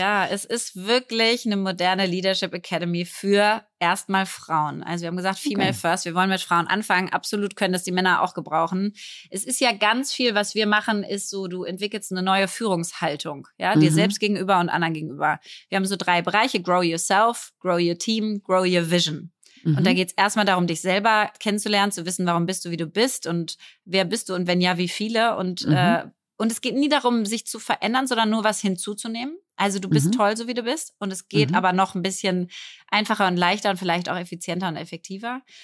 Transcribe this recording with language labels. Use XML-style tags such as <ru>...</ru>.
<de>Ja, es ist wirklich eine moderne Leadership Academy für erstmal Frauen. Also wir haben gesagt, Female first. Wir wollen mit Frauen anfangen. Absolut können das die Männer auch gebrauchen. Es ist ja ganz viel, was wir machen, ist so, du entwickelst eine neue Führungshaltung. Ja, dir selbst gegenüber und anderen gegenüber. Wir haben so drei Bereiche.</de> <en>Grow yourself, grow your team, grow your vision. Mhm.</en> <de>Und da geht es erstmal darum, dich selber kennenzulernen, zu wissen, warum bist du, wie du bist und wer bist du und wenn ja, wie viele. Und, und es geht nie darum, sich zu verändern, sondern nur was hinzuzunehmen. Also du bist toll, so wie du bist. Und es geht aber noch ein bisschen einfacher und leichter und vielleicht auch effizienter und effektiver.</de>